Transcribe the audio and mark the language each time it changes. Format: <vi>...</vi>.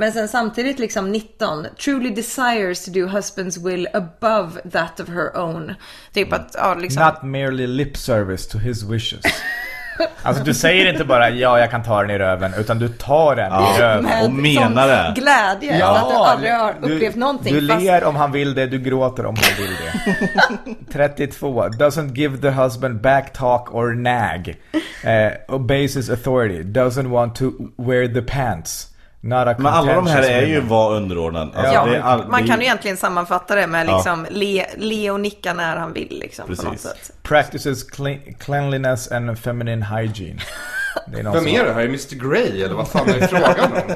<sv>Men sen samtidigt liksom</sv> <en>19 truly desires to do husband's will above that of her own.</en> <sv>Typ att liksom</sv> <en>not merely lip service to his wishes.</en> <sv>Alltså du säger inte bara ja jag kan ta den i röven, utan du tar den i röven och menar det. Glädje att du aldrig har upplevt någonting. Du ler om han vill det, du gråter om han vill det.</sv> <en>32, doesn't give the husband back talk or nag. Obeys his authority, doesn't want to wear the pants.</en> <sv>Men alla de här är ju var underordnad. Alltså, ja, det är man kan ju egentligen sammanfatta det med liksom le och nicka när han vill liksom. Precis. På något sätt.</sv> <en>Practices cleanliness and feminine hygiene.</en> <sv>Det är vem är det här? Är Mr. Grey eller vad fan är frågan?</sv>